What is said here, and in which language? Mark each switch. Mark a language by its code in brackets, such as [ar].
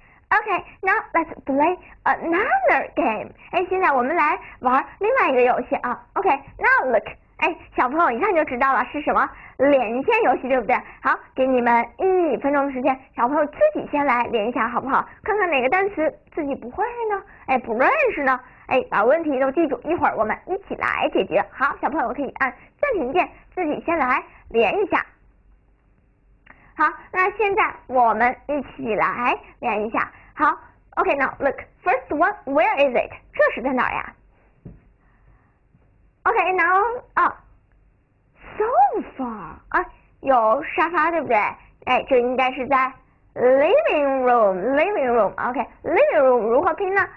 [en] Okay, now let's play another game. [zh] 哎，现在我们来玩另外一个游戏啊。 [en] Okay, now look. [zh] 哎，小朋友一看就知道了是什么连线游戏，对不对？好，给你们1分钟的时间，小朋友自己先来连一下，好不好？看看哪个单词自己不会呢？哎，不认识呢？哎，把问题都记住，一会儿我们一起来解决。好，小朋友可以按暂停键，自己先来连一下。好，那现在我们一起来连一下。 [en] 好 ，OK, now look, first one, where is it? [zh] 这是在哪儿呀 ？OK, now, sofa, 啊，有沙发，对不对？哎，这应该是在 living room, living room, OK, living room 如何拼呢？